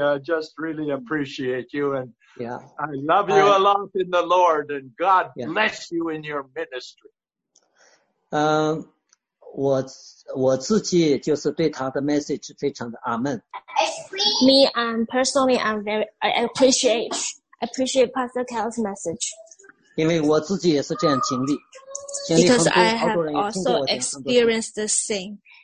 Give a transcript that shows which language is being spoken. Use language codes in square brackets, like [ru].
[en] I just really appreciate you, and yeah. I love you a lot in the Lord, and God bless you in your ministry. [zh] 我自己就是对他的 message 非常的 amen. [en] Me and personally, I appreciate Pastor Cal's message. [zh] 因为我自己也是这样经历, [en] because I have also experienced the same.